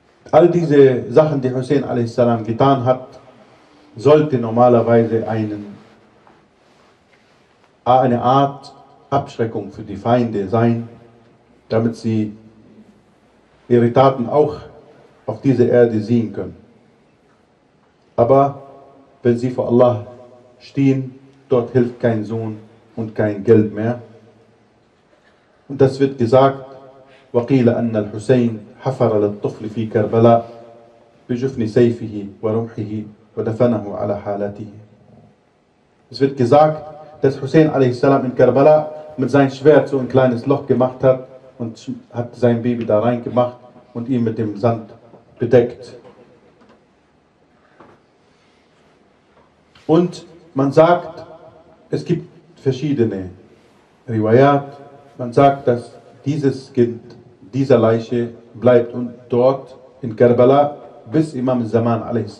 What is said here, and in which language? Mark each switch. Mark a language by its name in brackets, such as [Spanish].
[German] All diese Sachen, die Hussein a.s. getan hat, sollte normalerweise eine Art Abschreckung für die Feinde sein, damit sie ihre Taten auch auf dieser Erde sehen können. Aber wenn sie vor Allah stehen, dort hilft kein Sohn und kein Geld mehr. Und das wird gesagt, [Arabic] وقيل أن الحسين حفر للطفل في كربلاء بجفن سيفه ورمحه ودفنه على حالته. [German] Es wird gesagt, dass Hussein a.s. in Karbala mit seinem Schwert so ein kleines Loch gemacht hat und hat sein Baby da reingemacht und ihn mit dem Sand bedeckt. Und man sagt, es gibt verschiedene Riwayat, man sagt, dass dieses Kind, dieser Leiche bleibt und dort in Karbala, bis Imam Zaman a.s.